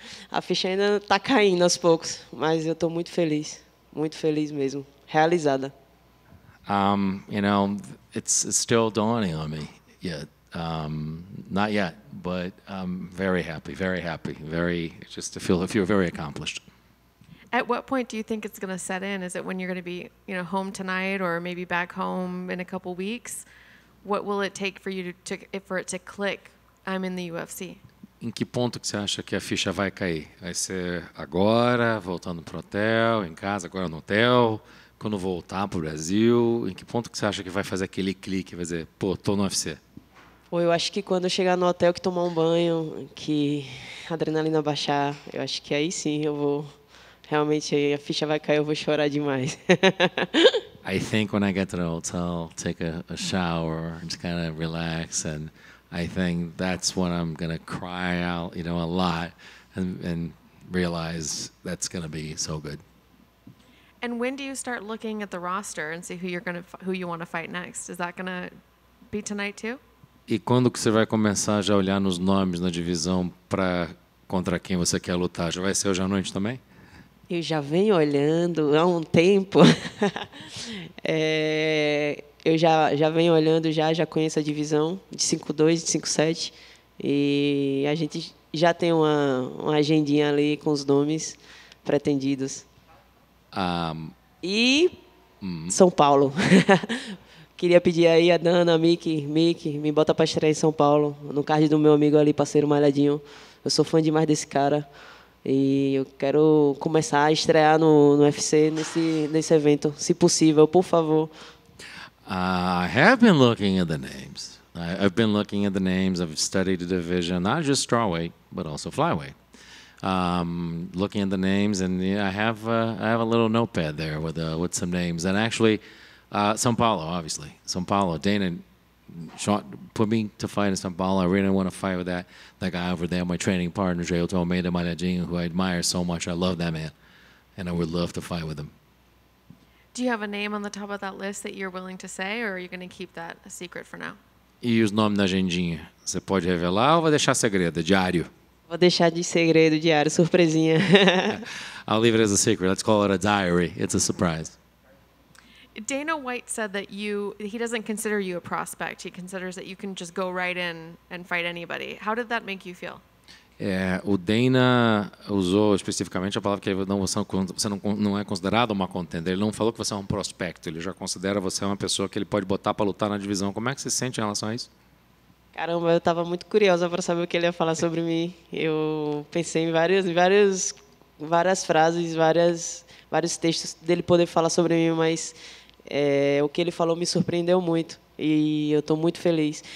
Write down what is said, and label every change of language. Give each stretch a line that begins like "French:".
Portuguese: A ficha ainda tá caindo aos poucos, mas eu tô muito feliz. Muito feliz mesmo. Realizada.
English: You know, it's still dawning on me yet. Not yet, but I'm very happy, very happy. Very, just to feel very accomplished. At what point do you think it's going to set in? Is it when you're going to be, you know, home tonight or maybe back home in a couple weeks? What will it take for you to click, I'm in the UFC?
Portuguese: Em que ponto que você acha que a ficha vai cair? Vai ser agora, voltando pro hotel, em casa, agora no hotel, quando voltar pro Brasil? Em que ponto que você acha que vai fazer aquele clique, vai dizer, pô, tô no UFC? Pô, eu acho que quando eu chegar no hotel, que tomar um banho, que a adrenalina baixar, eu acho que aí sim eu vou... Realmente, aí a ficha vai cair, eu vou chorar demais.
English: I think when I get to the hotel, take a shower, just kind of relax, and I think that's when I'm going to cry out, you know, a lot, and realize that's going to be so good. And when do you start looking at the roster and see who you want to fight next? Is that going to be tonight too?
Portuguese: E quando que você vai começar já a olhar nos nomes na divisão para contra quem você quer lutar? Já vai ser hoje à noite também? Eu já venho olhando há um tempo. eu já venho olhando, já conheço a divisão de 5-2, de 5-7. E a gente já tem uma agendinha ali com os nomes pretendidos. São Paulo. Queria pedir aí a Dana, a Mickey, me bota para estrear em São Paulo, no card do meu amigo ali, parceiro Malhadinho. Eu sou fã demais desse cara. E eu quero começar a estrear no UFC nesse evento, se possível, por favor.
English: I have been looking at the names. I've been looking at the names. I've studied the division, not just strawweight, but also flyweight. Looking at the names, and yeah, I have a little notepad there with some names. And actually, São Paulo, obviously. São Paulo, Dana put me to fight in São Paulo. I really want to fight with that guy over there, my training partner, Jailton, Ameida, Malhadinho, who I admire so much. I love that man, and I would love to fight with him. Do you have a name on the top of that list that you're willing to say, or are you going to keep that a secret for now?
Portuguese: E os nomes na agendinha? Você pode revelar ou vai deixar segredo, diário? Vou deixar de segredo, diário, surpresinha.
English: I'll leave it as a secret. Let's call it a diary. It's a surprise. Dana White said that he doesn't consider you a prospect. He considers that you can just go right in and fight anybody. How did that make you feel?
Portuguese: O Dana usou especificamente a palavra que você não é considerado uma contender. Ele não falou que você é um prospecto. Ele já considera você uma pessoa que ele pode botar para lutar na divisão. Como é que você se sente em relação a isso? Caramba, eu estava muito curiosa para saber o que ele ia falar sobre mim. Eu pensei em várias frases, vários textos dele poder falar sobre mim, mas o que ele falou me surpreendeu muito e eu estou muito feliz.